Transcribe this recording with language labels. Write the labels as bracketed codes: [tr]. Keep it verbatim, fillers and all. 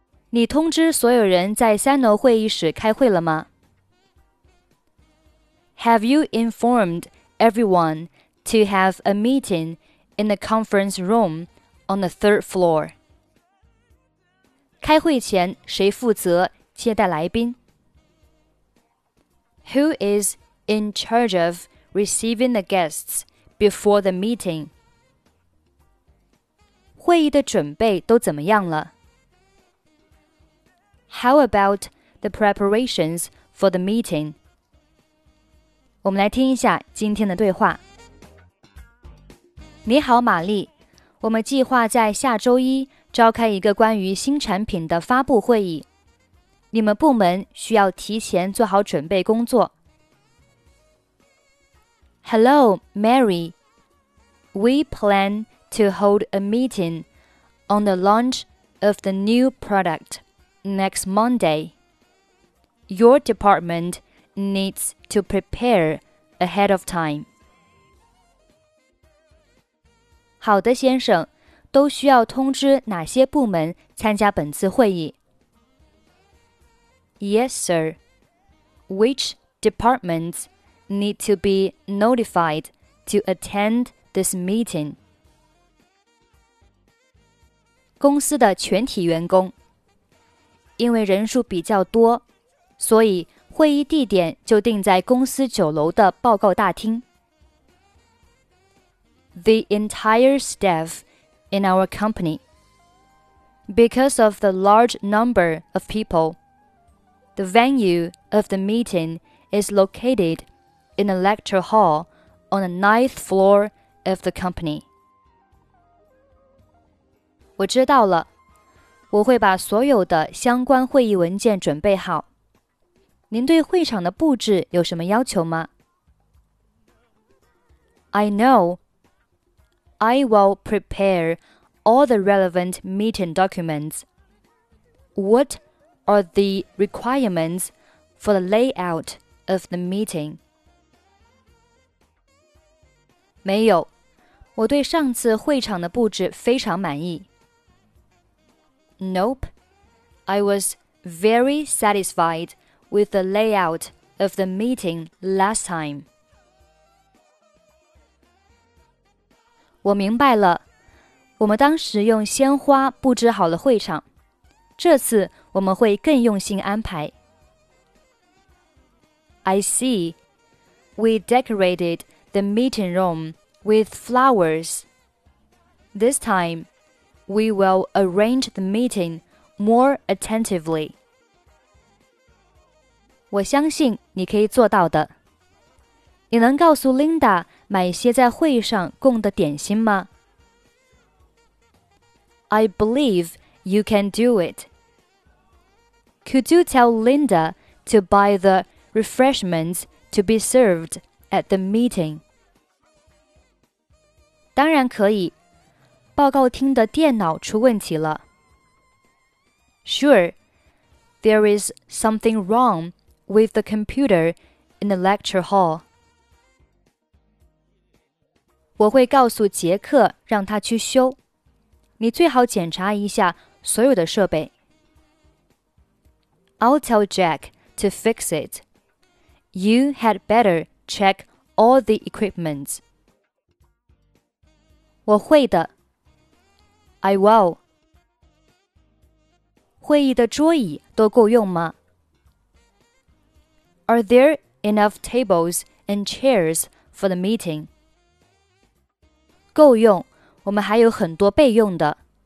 [zh] 你通知所有人在三楼会议室开会了吗 [en] ？Have you informed everyone to have a meeting in the conference room on the third floor? [zh] 开会前谁负责接待来宾？ [en] Who is in charge of receiving the guests before the meeting? [zh] 会议的准备都怎么样了 [en] ？How about the preparations for the meeting? [zh] 我们来听一下今天的对话。你好，玛丽，我们计划在下周一召开一个关于新产品的发布会议。你们部门需要提前做好准备工作。 [en] Hello, Mary. We plan to hold a meeting on the launch of the new product next Monday. Your department needs to prepare ahead of time. [zh] 好的，先生，都需要通知哪些部门参加本次会议？ [en] Yes, sir. Which departments need to be notified to attend this meeting? [zh] 公司的全体员工。因为人数比较多，所以会议地点就定在公司九楼的报告大厅。 [en] The entire staff in our company. Because of the large number of people,The venue of the meeting is located in a lecture hall on the ninth floor of the company. [zh] 我知道了，我会把所有的相关会议文件准备好。您对会场的布置有什么要求吗？ [en] I know. I will prepare all the relevant meeting documents. What? Are the requirements for the layout of the meeting? [zh] 没有，我对上次会场的布置非常满意。 [en] Nope, I was very satisfied with the layout of the meeting last time. [zh] 我明白了，我们当时用鲜花布置好了会场，这次我们会更用心安排。 [en] I see. We decorated the meeting room with flowers. This time, we will arrange the meeting more attentively. [zh] 我相信你可以做到的。你能告诉 Linda 买些在会上供的点心吗？ [en] I believe you can do it. Could you tell Linda to buy the refreshments to be served at the meeting? [zh] 当然可以。报告厅的电脑出问题了。 [en] Sure, there is something wrong with the computer in the lecture hall. [zh] 我会告诉杰克让他去修。你最好检查一下所有的设备。 [en] I'll tell Jack to fix it. You had better check all the equipment. [zh] 我会的 [en] I will. [zh] 会议的桌椅都够用吗 [en] Are there enough tables and chairs for the meeting? [zh] 够用，我们还有很多备用的。